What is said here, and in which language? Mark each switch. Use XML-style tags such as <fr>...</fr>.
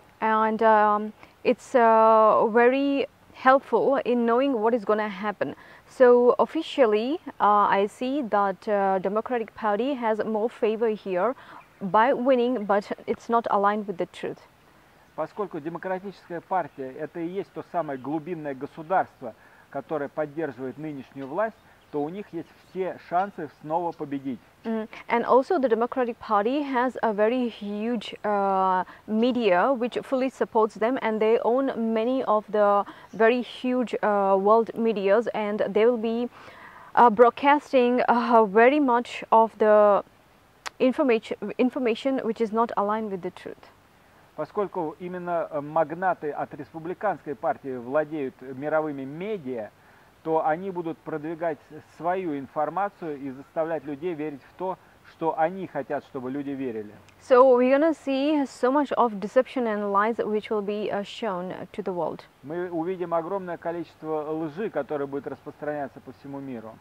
<en>And it's very helpful in knowing what is going to happen. So officially, I see that Democratic Party has more favor here by winning, but it's not aligned with the truth.</en> <ru>Поскольку Демократическая партия – это и есть то самое глубинное государство, которое поддерживает нынешнюю власть, то у них есть все шансы снова победить.</ru> <en>And also the Democratic Party has a very huge media which fully supports them, and they own many of the very huge world medias, and they will be broadcasting very much of the information which is not aligned with the truth.</en> <ru>Поскольку именно магнаты от Республиканской партии владеют мировыми медиа, то они будут продвигать свою информацию и заставлять людей верить в то, что они хотят, чтобы люди верили.</ru> <en>So we're gonna see so much of deception and lies which will be shown to the world.</en> <ru>Мы увидим огромное количество лжи, которое будет распространяться по всему миру.</ru>